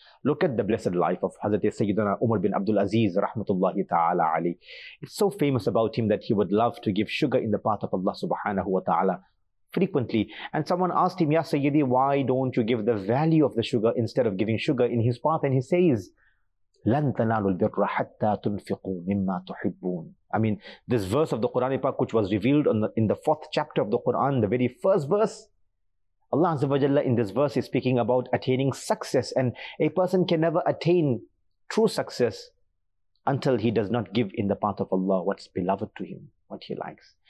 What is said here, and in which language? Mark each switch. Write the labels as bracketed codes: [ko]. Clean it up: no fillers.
[en] Look at the blessed life of Hazrat Sayyidina Umar bin Abdul Aziz rahmatullahi ta'ala Ali. It's so famous about him that he would love to give sugar in the path of Allah subhanahu wa ta'ala frequently. And someone asked him, Ya Sayyidi, why don't you give the value of the sugar instead of giving sugar in his path? And he says, [ar] لَن تَنَالُوا الْبِرَّ حَتَّى تُنْفِقُوا مِمَّا تُحِبُّونَ. [en] I mean, this verse of the Quran, which was revealed in the fourth chapter of the Quran, the very first verse, Allah Azza wa Jalla in this verse is speaking about attaining success, and a person can never attain true success until he does not give in the path of Allah what's beloved to him, what he likes.